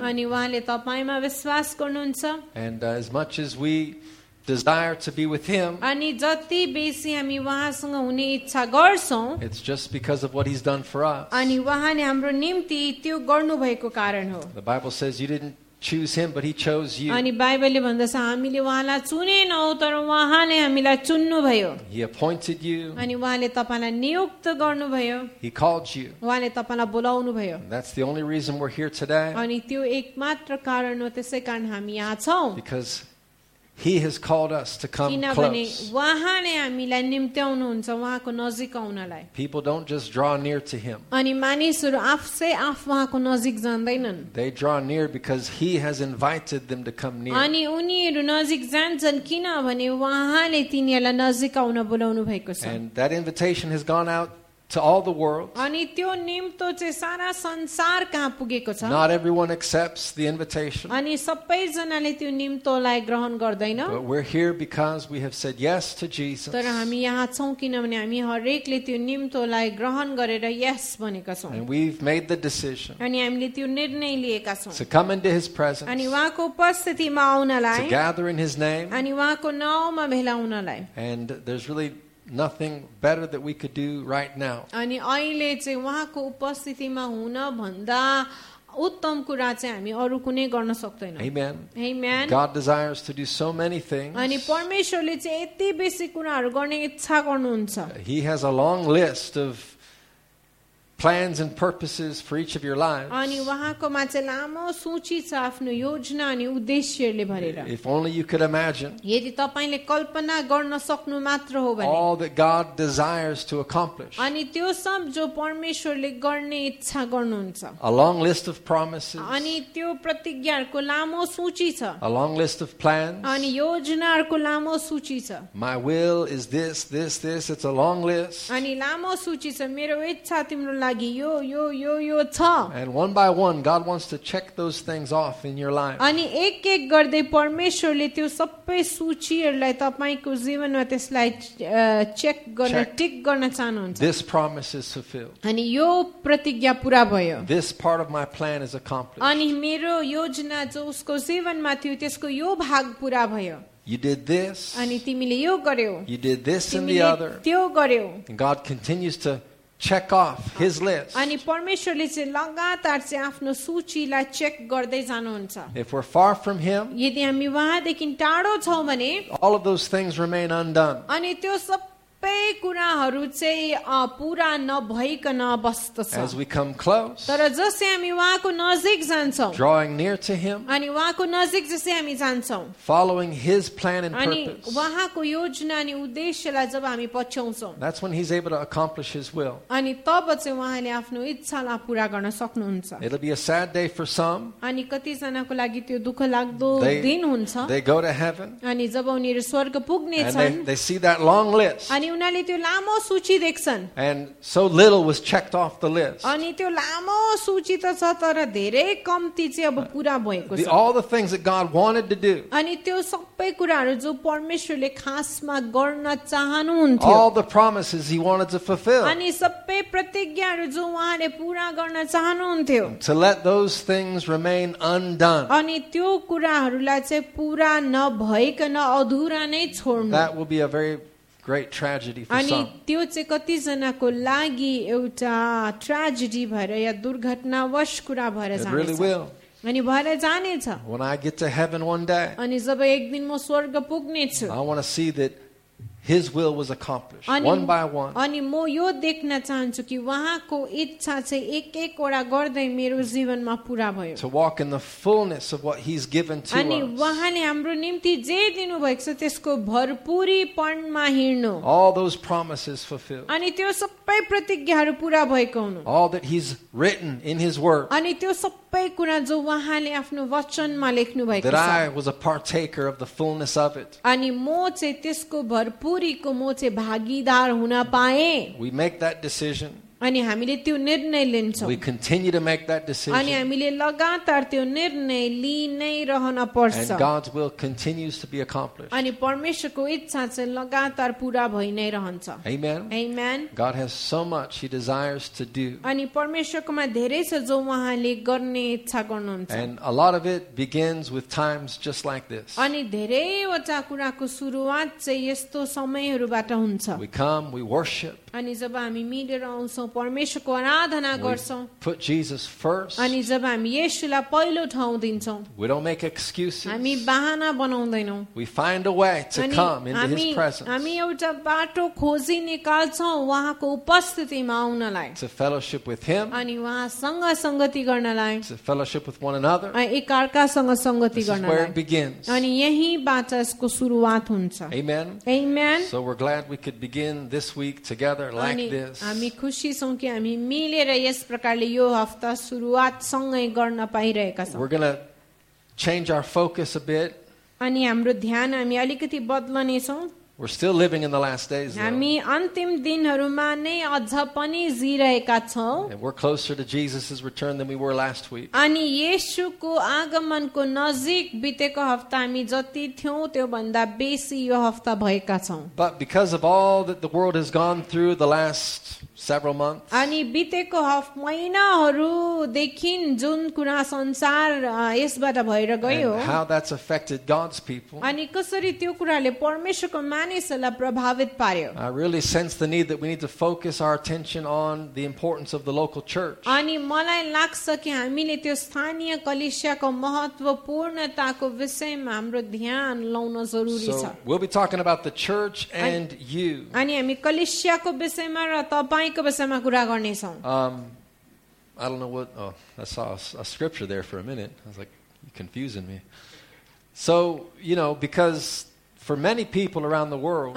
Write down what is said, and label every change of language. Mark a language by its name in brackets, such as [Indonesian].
[Nepali] Ani wahale tapai ma bishwas garnuhuncha. [English] And as much as we desire to be with him, [Nepali] ani jati besi hami wahasanga hune ichha garchhau, [English] it's just because of what he's done for us. [Nepali] Ani wahale hamro nimti tyo garnu bhaeko karan ho. [English] The Bible says you didn't choose him, but he chose you. [Nepali] अनि बाइबलले भन्दछ हामीले उहाँलाई चुनेनौ तर उहाँले हामीलाई चुन्नु भयो. [English] He appointed you. [Nepali] अनि उहाँले तपाईलाई नियुक्त गर्नुभयो. [English] He called you. [Nepali] उहाँले तपाईलाई बोलाउनु भयो. [English] That's the only reason we're here today. [Nepali] अनि त्यो एकमात्र कारण हो त्यसै कारण हामी यहाँ छौ. [English] Because he has called us to come close. [Nepali] उहाँले हामीलाई निम्त्याउनु हुन्छ उहाँको नजिक आउनलाई. [English] People don't just draw near to him. [Nepali] अनि मानिसहरू आफै आफ उहाँको नजिक जान्दैनन्. [English] They draw near because he has invited them to come near. [Nepali] अनि उनीहरू नजिक जान्छन् किनभने उहाँले तिनीहरूलाई नजिक आउन बोलाउनु भएको छ. [English] And that invitation has gone out to all the world. [Nepali] अनि त्यो निम्तो चाहिँ सारा संसार कहाँ पुगेको छ. [English] Not everyone accepts the invitation. [Nepali] अनि सबै जनाले त्यो निम्तोलाई ग्रहण गर्दैन. [English] But we're here because we have said yes to Jesus. [Nepali] तर हामी यहाँ छौ किनभने हामी हरेकले त्यो निम्तोलाई ग्रहण गरेर यस भनेका छौ. [English] And we've made the decision. [Nepali] अनि हामीले त्यो निर्णय लिएका छौ. [English] To come into his presence. [Nepali] अनि उहाँको उपस्थितिमा आउनलाई. [English] To gather in his name. [Nepali] अनि उहाँको नाउँमा भेला हुनलाई. [English] And there's really nothing better that we could do right now. [Nepali] अनि अहिले चाहिँ उहाँको उपस्थितिमा हुन भन्दा उत्तम कुरा चाहिँ हामी अरु कुनै गर्न सक्दैनौ. [English] Amen. Amen. God desires to do so many things. [Nepali] अनि परमेश्वरले चाहिँ यति बेसी कुराहरु गर्ने इच्छा गर्नुहुन्छ. [English] He has a long list of plans and purposes for each of your lives. [Nepali] अनि उहाँकोमा चाहिँ लामो सूची छ आफ्नो योजना अनि उद्देश्यले भरेर. [English] If only you could imagine. [Nepali] यदि तपाईले कल्पना गर्न सक्नु मात्र हो भने. [English] All that God desires to accomplish. [Nepali] अनि त्यो सब जो परमेश्वरले गर्ने इच्छा गर्नुहुन्छ. [English] A long list of promises. [Nepali] अनि त्यो प्रतिज्ञाहरुको लामो सूची छ. [English] A long list of plans. [Nepali] अनि योजनाहरुको लामो सूची छ. [English] My will is this, this, this. It's a long list. [Nepali] अनि लामो सूची छ. मेरो इच्छा तिम्रो लागि यो यो यो यो छ. [English] And one by one God wants to check those things off in your life. [Nepali] अनि एक एक गर्दै परमेश्वरले त्यो सबै सूचीहरूलाई तपाईको जीवनमा त्यसलाई चेक गर्न टिक गर्न चाहनुहुन्छ. [English] This promise is fulfilled. [Nepali] अनि यो प्रतिज्ञा पूरा भयो. [English] This part of my plan is accomplished. [Nepali] अनि मेरो योजना जो उसको जीवनमा थियो त्यसको यो भाग पूरा भयो. [English] You did this. [Nepali] अनि तिमीले यो गर्यौ. [English] You did this and the other. [Nepali] तिमीले त्यो गर्यौ. [English] God continues to check off his list. [Nepali] अनि परमेश्वरले चाहिँ लगातार चाहिँ आफ्नो सूचीलाई चेक गर्दै जानुहुन्छ. [English] If we're far from him, [Nepali] यदि हामी उहाँदेखि टाढो छौ भने, [English] all of those things remain undone. [Nepali] अनि त्यो सबै कुराहरु चाहिँ पूरा नभईकन बस्दछ. [English] As we come close, [Nepali] तर जसै हामी उहाँको नजिक जान्छौ, [English] drawing near to him, [Nepali] अनि उहाँको नजिक जसै हामी जान्छौ, [English] following his plan and purpose, [Nepali] अनि उहाँको योजना अनि उद्देश्यलाई जब हामी पछ्याउँछौ, [English] that's when he's able to accomplish his will. [Nepali] अनि तब चाहिँ उहाँले आफ्नो इच्छालाई पूरा गर्न सक्नुहुन्छ. [English] It'll be a sad day for some. [Nepali] अनि कति जनाको लागि त्यो दुःख लाग्दो दिन हुन्छ. [English] They go to heaven. [Nepali] अनि जब उनीहरू स्वर्ग पुग्ने छन्, [English] they see that long list. [Nepali] अनि उनीहरूले त्यो लामो सूची देख्छन्. [English] And so little was checked off the list. [Nepali] अनि त्यो लामो सूची त छ तर धेरै कम्ती चाहिँ अब पूरा भएको छ. [English] All the things that God wanted to do. [Nepali] अनि त्यो सबै कुराहरु जो परमेश्वरले खासमा गर्न चाहनुहुन्थ्यो. [English] All the promises he wanted to fulfill. [Nepali] अनि सबै प्रतिज्ञाहरु जो उहाँले पूरा गर्न चाहनुहुन्थ्यो. [English] To let those things remain undone. [Nepali] अनि त्यो कुराहरुलाई चाहिँ पूरा नभईकन अधुरा नै छोड्नु. [English] That will be a very great tragedy for some. [Nepali] अनि त्यो चाहिँ कति जनाको लागि एउटा ट्रेजेडी भएर या दुर्घटनावश कुरा भएर जानेछ. अनि भएर जाने छ. [English] When I get to heaven one day. [Nepali] अनि जब एक दिन म स्वर्ग पुग्ने छु. [English] I want to see that His will was accomplished ani, one by one. [Nepali] अनि म यो देख्न चाहन्छु कि वहाको इच्छा चाहिँ एक-एक वटा गर्दै मेरो जीवनमा पूरा भयो. [English] To walk in the fullness of what he's given to us. [Nepali] अनि वहाले हाम्रो निम्ति जे दिनु भएको छ त्यसको भरपूरीपनमा हिँड्नु. [English] All those promises fulfilled. [Nepali] अनि त्यो सबै प्रतिज्ञाहरू पूरा भएको हुनु. [English] All that he's written in his word. [Nepali] अनि त्यो सबै कुरा जो वहाले आफ्नो वचनमा लेख्नु भएको छ. [English] That I was a partaker of the fullness of it. [Nepali] अनि म चाहिँ त्यसको भरपूर पूरीको म चाहिँ भागीदार हुन पाए. [English] We make that decision. [Nepali] अनि हामीले त्यो निर्णय लिन्छौं. [English] We continue to make that decision. [Nepali] अनि हामीले लगातार त्यो निर्णय लिनै रहन पर्छ. [English] And God's will continues to be accomplished. [Nepali] अनि परमेश्वरको इच्छा चाहिँ लगातार पूरा भइ नै रहन्छ. [English] Amen. Amen. God has so much he desires to do. [Nepali] अनि परमेश्वरकोमा धेरै छ जो उहाँले गर्ने इच्छा गर्नुहुन्छ. [English] And a lot of it begins with times just like this. [Nepali] अनि धेरैवटा कुराको सुरुवात चाहिँ यस्तो समयहरूबाट हुन्छ. [English] We come, we worship. [Nepali] अनि जब हामी मिलेर आउँछौँ परमेश्वरको आराधना गर्छौँ. [English] Put Jesus first. [Nepali] अनि जब हामी येशूलाई पहिलो ठाउँ दिन्छौँ. [English] We don't make excuses. [Nepali] हामी बहाना बनाउँदैनौँ. [English] We find a way to come into his presence. [Nepali] हामी एउटा बाटो खोजी निकाल्छौँ उहाँको उपस्थितिमा आउनलाई. [English] To fellowship with him. [Nepali] अनि उहाँसँग संगति गर्नलाई. [English] To fellowship with one another. [Nepali] एकअर्कासँग संगति गर्नलाई. [English] This is where it begins. [Nepali] अनि यहीँबाट यसको सुरुवात हुन्छ. [English] Amen. Amen. So we're glad we could begin this week together. [Nepali] हामी खुसी छौँ कि हामी मिलेर यस प्रकारले यो हप्ता सुरुवात सँगै गर्न पाइरहेका छौँ. [English] We're gonna change our focus a bit. [Nepali] अनि हाम्रो ध्यान हामी अलिकति बदल्ने छौँ. [English] We're still living in the last days. [Nepali] हामी अन्तिम दिनहरुमा नै अझ पनि जिइरहेका छौं. [English] We're closer to Jesus's return than we were last week. [Nepali] अनि येशूको आगमनको नजिक बितेको हप्ता हामी जति थियौं त्यो भन्दा बेसी यो हप्ता भएका छौं. [English] But because of all that the world has gone through the last several months. [Nepali] अनि बितेको हप्ता महिनाहरु देखिन जुन कुरा संसार यसबाट भएर गयो. [English] And how that's affected God's people. [Nepali] अनि कसरी त्यो कुराले परमेश्वरको [English] I really sense the need that we need to focus our attention on the importance of the local church. [Nepali] अनि मलाई लाग्छ कि हामीले त्यो स्थानीय कलिसियाको महत्त्वपूर्णताको विषयमा हाम्रो ध्यान लाउन जरुरी छ. [English] So we'll be talking about the church and you. [Nepali] अनि हामी कलिसियाको विषयमा र तपाईको विषयमा कुरा गर्ने छौं. [English] I don't know what I saw a scripture there for a minute. I was like, you're confusing me. So, you know, because For many people around the world,